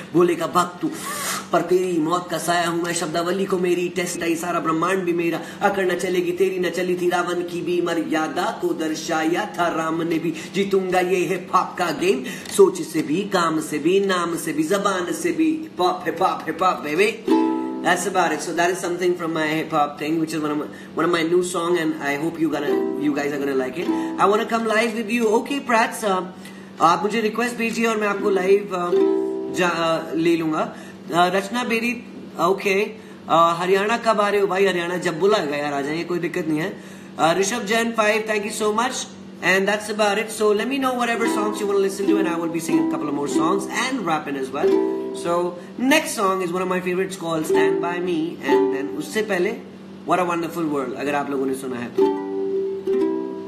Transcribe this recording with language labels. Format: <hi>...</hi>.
<hi>बोले का भक्त तू पर तेरी मौत का साया हूँ मैं. शब्दावली को मेरी टेस्ट आई, सारा ब्रह्मांड भी मेरा. अकड़ न चलेगी तेरी न चली थी रावण की भी, मर्यादा को दर्शाया था राम ने भी. जीतूंगा ये है पॉप का गेम, सोच से भी काम से भी नाम से भी जबान से भी. पॉप है पॉप है pop baby.</hi> <en>That's about it. So that is something from my hip hop thing, which is one of my new song, and I hope you guys are gonna like it. I want to come live with you.</en> <hi>Okay, Prats, आप मुझे request भेजिए और मैं आपको live ले लूँगा. रचना berry, okay. Haryana कब आ रहे हो भाई? हरियाणा जब बुला गया आ जाइए, कोई दिक्कत नहीं है.</hi> <en>Rishabh Jain 5, thank you so much. And that's about it. So let me know whatever songs you want to listen to, and I will be singing a couple of more songs and rapping as well. So next song is one of my favorites called "Stand By Me," and then</en> <hi>usse pehle</hi> <en>"What a Wonderful World."</en> <hi>Agar aap logon ne suna hai to.</hi>